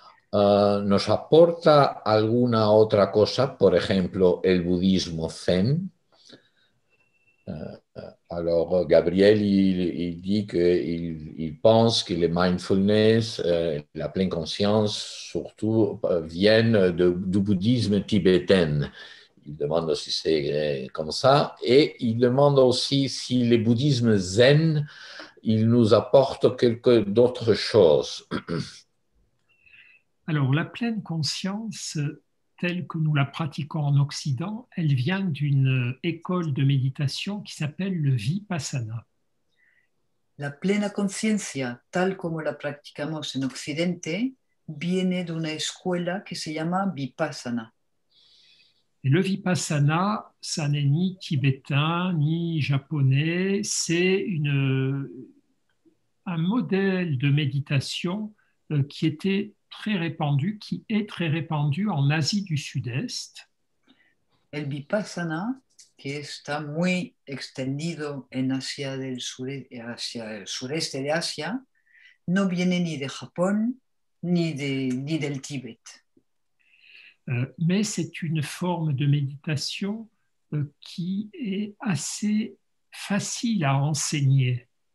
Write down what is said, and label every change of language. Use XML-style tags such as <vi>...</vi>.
<es>¿Nos aporta alguna otra cosa, por ejemplo, el budismo zen?</es> <fr>Alors, Gabriel, il dit qu'il pense que le mindfulness, la pleine conscience, surtout, viennent du bouddhisme tibétain. Il demande si c'est comme ça. Et il demande aussi si le bouddhisme zen, il nous apporte quelque d'autre chose. Alors, la pleine conscience, telle que nous la pratiquons en Occident, elle vient d'une école de méditation qui s'appelle le Vipassana.</fr> <es>La plena conciencia, tal como la practicamos en Occidente, viene de una escuela que se llama Vipassana.</es> <fr>Et le Vipassana, ça n'est ni tibétain, ni japonais, c'est un modèle de méditation qui était très répandu, qui est très répandu en Asie du Sud-Est.</fr> <es>El Vipassana, que está muy extendido en Asia del Sur, hacia el sureste de Asia, no viene ni de Japón ni del Tíbet.</es> <fr>Mais c'est une forme de méditation qui est assez facile à enseigner.</fr>